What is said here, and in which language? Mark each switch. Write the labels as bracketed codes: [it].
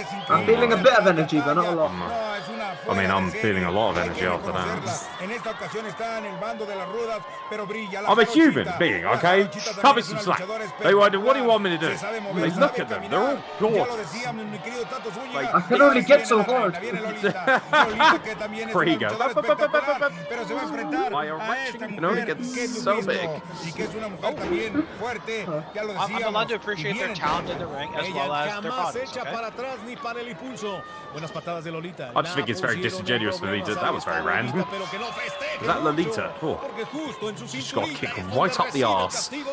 [en] I'm feeling a bit of energy, but not a lot. I mean, I'm feeling a lot of energy after that. [es] En esta ocasión está en el bando de las ruedas, pero brilla. [en] I'm a human being, okay? Cut me some slack. They wonder, what do you want me to do? They look at them. They're all gorgeous. I can only get so hard. Here you go. [es] Pero se va a enfrentar a esta mujer que es lo mismo y que es una mujer también fuerte. Ya lo decíamos. [en] I'm allowed to appreciate their talent in the ring as well as their bodies. [es] Ella jamás echa para atrás ni para el impulso. Buenas patadas de Lolita. [en] I just think it's very disingenuous for Lolita. That was very random. Is that Lolita? Oh. She's got a kick right up the arse.